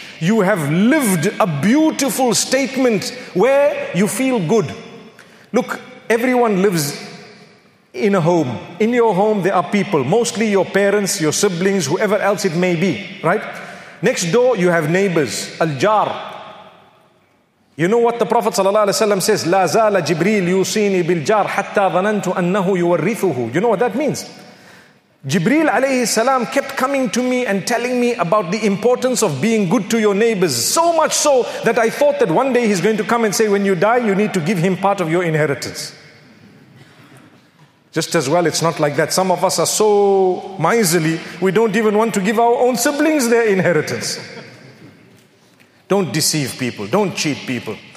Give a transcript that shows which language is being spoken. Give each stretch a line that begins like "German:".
English: You have lived a beautiful statement where you feel good. Look, everyone lives in a home. In your home, there are people, mostly your parents, your siblings, whoever else it may be, right? Next door, you have neighbors, al-jar. You know what the Prophet ﷺ says?
Arabic: لا زال جبريل يوصيني بالجار حتى ظننت أنه يورثه.
English: You know what that means? Jibreel alayhi salam kept coming to me and telling me about the importance of being good to your neighbors. So much so that I thought that one day he's going to come and say, when you die, you need to give him part of your inheritance. Just as well, it's not like that. Some of us are so miserly, we don't even want to give our own siblings their inheritance. Don't deceive people. Don't cheat people.